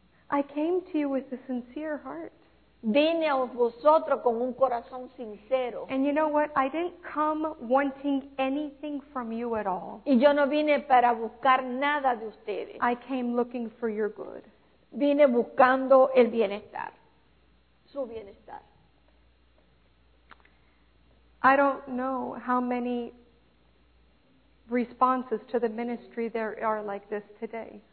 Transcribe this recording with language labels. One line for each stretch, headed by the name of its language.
English: I came to you with a sincere heart.
Spanish: Vine a vosotros con un corazón sincero.
English: And you know what? I didn't come wanting anything from you at all.
Spanish: Y yo no vine para buscar nada de ustedes.
English: I came looking for your good.
Spanish: Vine buscando el bienestar. Su bienestar.
English: I don't know how many responses to the ministry there are like this today.